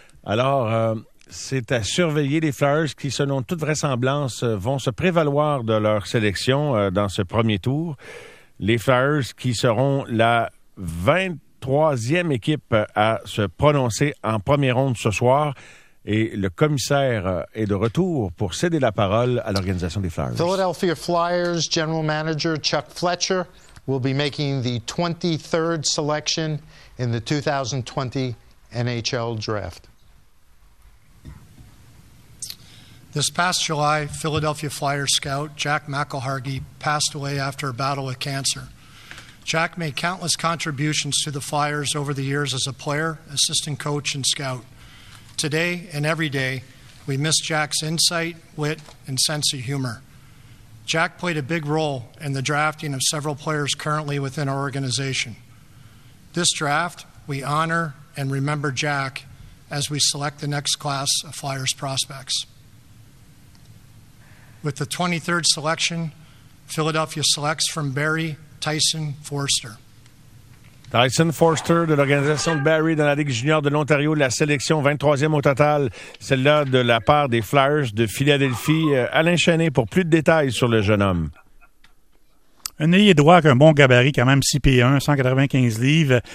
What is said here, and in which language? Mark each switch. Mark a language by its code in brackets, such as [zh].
[fr] Alors, c'est à surveiller les Flyers qui, selon toute vraisemblance, vont se prévaloir de leur sélection dans ce premier tour. Les Flyers qui seront la 23e équipe à se prononcer en première ronde ce soir. Et le commissaire est de retour pour céder la parole à l'organisation des Flyers. [en] Philadelphia Flyers General Manager Chuck Fletcher will be making the 23rd selection in the 2020 NHL Draft. This past July, Philadelphia Flyers scout Jack McElhargy passed away after a battle with cancer. Jack made countless contributions to the Flyers over the years as a player, assistant coach, and scout. Today and every day, we miss Jack's insight, wit, and sense of humor. Jack played a big role in the drafting of several players currently within our organization. This draft, we honor and remember Jack as we select the next class of Flyers prospects. With the 23rd selection, Philadelphia selects from Barry Tyson Forster. [fr] Tyson Forster de l'organisation de Barry dans la Ligue junior de l'Ontario, la sélection 23e au total, celle-là de la part des Flyers de Philadelphie. Alain Chenet pour plus de détails sur le jeune homme. Un ailier droit avec un bon gabarit quand même, 6 pieds 1, 195 livres.